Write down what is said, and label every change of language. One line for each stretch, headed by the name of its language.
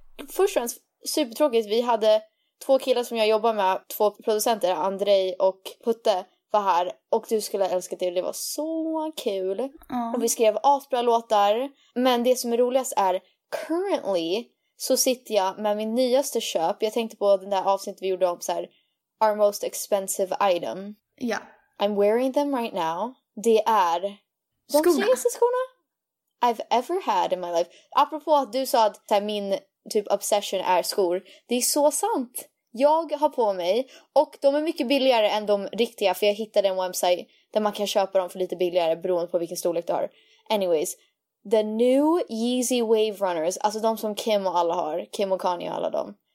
Swedish: Först och främst, supertråkigt. Vi hade... 2 killar som jag jobbar med, 2 producenter, Andrej och Putte, var här. Och du skulle älska det, det var så kul. Mm. Och vi skrev asbra låtar. Men det som är roligast är,
English: currently
Swedish: så sitter jag med min nyaste köp. Jag tänkte på den där avsnittet vi gjorde om så här,
English: our most expensive item.
Swedish: Ja.
English: Yeah. I'm wearing them right now.
Swedish: Det är de snyggaste skorna
English: I've ever had in my life.
Swedish: Apropå att du sa att här, min... typ obsession är skor. Det är så sant. Jag har på mig och de är mycket billigare än de riktiga för jag hittade en website där man kan köpa dem för lite billigare beroende på vilken storlek du har.
English: Anyways, the new Yeezy Wave Runners,
Swedish: alltså de som Kim och alla har, Kim och Kanye och alla dem.